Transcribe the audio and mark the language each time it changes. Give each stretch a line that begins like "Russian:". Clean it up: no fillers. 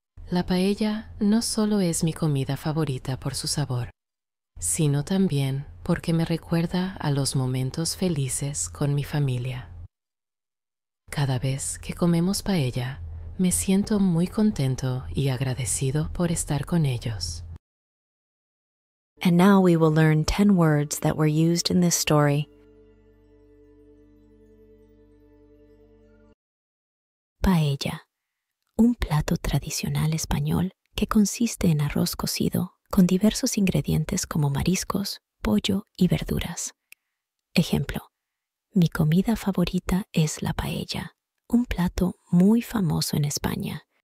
Spanish: La paella no solo es mi comida favorita por su sabor, sino también porque me recuerda a los momentos felices con mi familia. Cada vez que comemos paella, me siento muy contento y agradecido por estar con ellos.
English: And now we will learn 10 words that were used in this story.
Spanish: Paella, un plato tradicional español que consiste en arroz cocido con diversos ingredientes como mariscos, pollo y verduras. Ejemplo, mi comida favorita es la paella, un plato muy famoso en España.